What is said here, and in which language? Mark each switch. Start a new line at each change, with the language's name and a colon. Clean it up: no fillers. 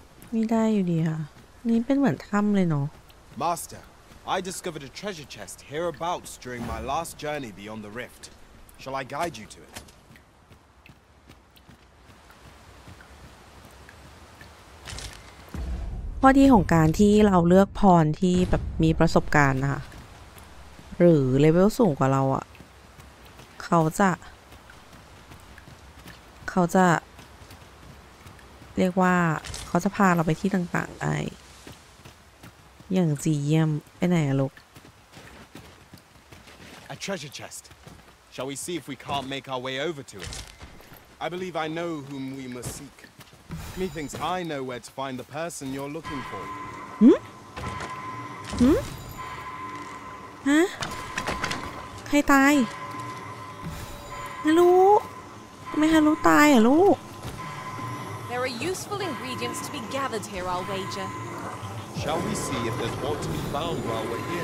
Thai: ไม่ได้อยู่ดีค่ะนี่เป็นเหมือนถ้ำเลยเนาะ
English: Master, I discovered a treasure chest hereabouts during my last journey beyond the rift. Shall I guide you to it?
Thai: ข้อดีของการที่เราเลือกพรที่แบบมีประสบการณ์นะคะหรือเลเวลสูงกว่าเราอ่ะเขาจะ ขาจะเรียกว่าเขาจะพาเราไปที่ต่างๆได้อย่างสี่เยี่ยมไปไหนลูก
English: A treasure chest. Shall we see if we can't make our way over to it? I believe I know whom we must seek. Methinks I know where to find the person you're looking for.
Thai: ฮะใครตายไม่รู้ทำไมฮารุตายอ่ะลูก
English: There are useful ingredients to be gathered here, I'll wager. Shall we see if there's more to be found while we're here?